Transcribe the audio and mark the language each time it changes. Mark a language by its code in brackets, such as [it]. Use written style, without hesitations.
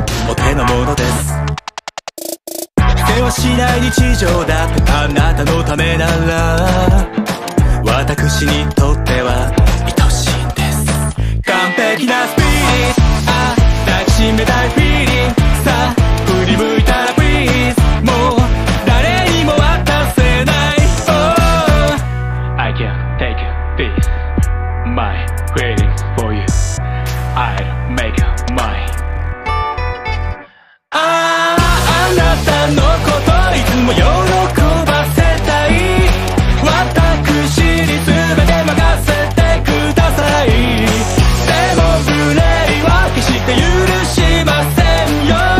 [ja] お手の物です。せわしない日常だってあなたのためなら、私にとっては愛しいんです。完璧なスピリッツ、あ、抱きしめたいフィーリング、さあ振り向いたらプリーズ、もう誰にも渡せない。 [en] Oh, I can take this my feelings for you、 I'll make mine。 [ja] ああ、あなたのこといつも喜ばせたい。私に全て任せてください。でも無礼は決して許しませんよ。